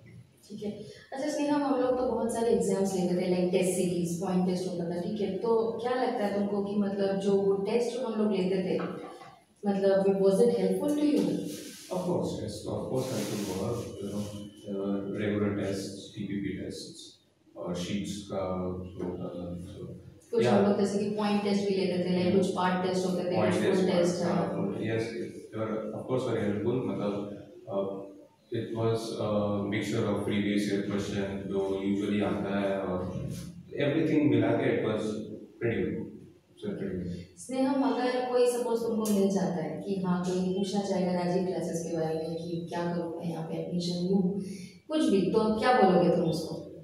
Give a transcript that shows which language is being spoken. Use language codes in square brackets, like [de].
[hi] ठीक है, अच्छा स्नेहम, हम लोग तो बहुत सारे एग्जाम्स लेते थे, like test series, point test होता था, ठीक है, तो क्या लगता है तुमको कि मतलब जो टेस्ट हम लोग लेते थे, मतलब [en] Was it helpful to you? Of course yes, of course helpful was, you know, regular test, TPP test [hi] और शीट्स का जो होता था, [en] so [hi] कुछ हम लोग जैसे कि पॉइंट टेस्ट भी लेते थे, लाइक कुछ पार्ट टेस्ट होते थे, [en] point test, yes, of course very helpful, मतलब it was a mixture of previous year question [hi] जो usually आता है, [en] और everything [hi] मिला के [en] it was pretty good, so pretty good। [hi] स्नेहम, अगर कोई suppose तुमको मिल जाता है कि हाँ कोई पूछना चाहेगा राजीव क्लासेस के बारे में कि क्या करूँ मैं यहाँ पे एडमिशन लूँ कुछ भी, तो क्या बोलोगे तुम उसको?